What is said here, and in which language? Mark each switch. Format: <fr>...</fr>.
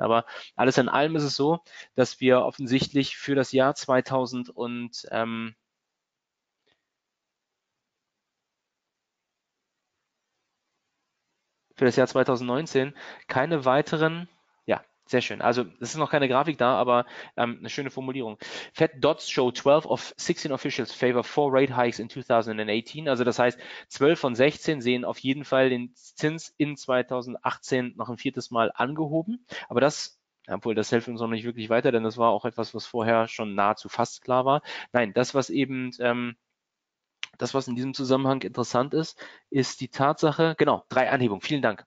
<de>Aber alles in allem ist es so, dass wir offensichtlich für das Jahr 2000 und für das Jahr 2019 keine weiteren, ja, sehr schön. Also, es ist noch keine Grafik da, aber eine schöne Formulierung.</de> <en>Fed Dots show 12 of 16 officials favor 4 rate hikes in 2018.</en> <de>Also, das heißt, 12 von 16 sehen auf jeden Fall den Zins in 2018 noch ein viertes Mal angehoben. Aber das, obwohl das hilft uns noch nicht wirklich weiter, denn das war auch etwas, was vorher schon nahezu fast klar war. Nein, das, was in diesem Zusammenhang interessant ist, ist die Tatsache, genau, drei Anhebungen. Vielen Dank.</de>